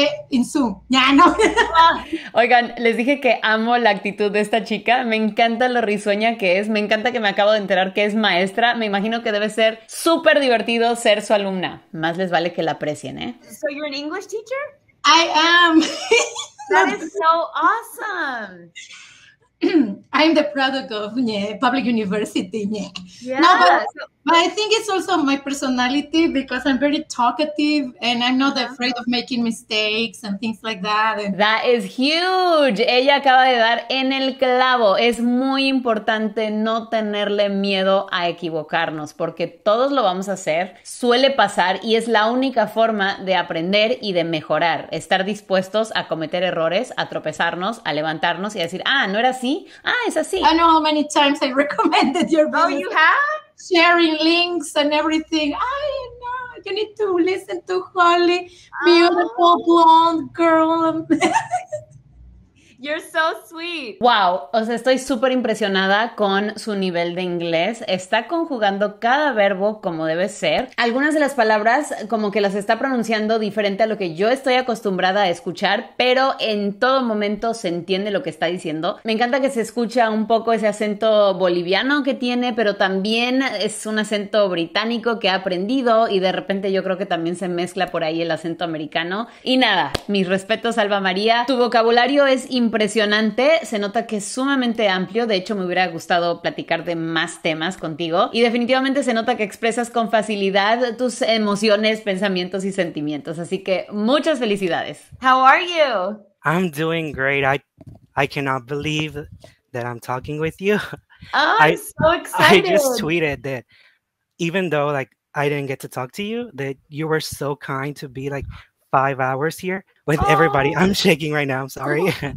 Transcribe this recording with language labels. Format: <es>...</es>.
<es>En Zoom. Ya, no. Oigan, les dije que amo la actitud de esta chica. Me encanta lo risueña que es. Me encanta que me acabo de enterar que es maestra. Me imagino que debe ser súper divertido ser su alumna. Más les vale que la aprecien, ¿eh?</es> <en>So you're an English teacher? I am. That is so awesome. I'm the product of public university. Yeah. No, but I think it's also my personality because I'm very talkative and I'm not afraid of making mistakes and things like that. That is huge.</en> <es>Ella acaba de dar en el clavo. Es muy importante no tenerle miedo a equivocarnos porque todos lo vamos a hacer. Suele pasar y es la única forma de aprender y de mejorar. Estar dispuestos a cometer errores, a tropezarnos, a levantarnos y a decir, no era así. Ah, es así.</es> <en>I know how many times I recommended your book. Oh, you have? Sharing links and everything. I know. You need to listen to Holly. Beautiful blonde girl. You're so sweet.</en> <es>Wow, o sea, estoy súper impresionada con su nivel de inglés. Está conjugando cada verbo como debe ser. Algunas de las palabras como que las está pronunciando diferente a lo que yo estoy acostumbrada a escuchar, pero en todo momento se entiende lo que está diciendo. Me encanta que se escucha un poco ese acento boliviano que tiene, pero también es un acento británico que ha aprendido y de repente yo creo que también se mezcla por ahí el acento americano. Y nada, mis respetos, Alba María. Tu vocabulario es impresionante, se nota que es sumamente amplio, de hecho me hubiera gustado platicar de más temas contigo y definitivamente se nota que expresas con facilidad tus emociones, pensamientos y sentimientos, así que muchas felicidades.</es> <en>How are you? I'm doing great. I cannot believe that I'm talking with you. Oh, I'm so excited. I just tweeted that even though like I didn't get to talk to you, that you were so kind to be like 5 hours here with everybody. I'm shaking right now. I'm sorry. Oh.</en>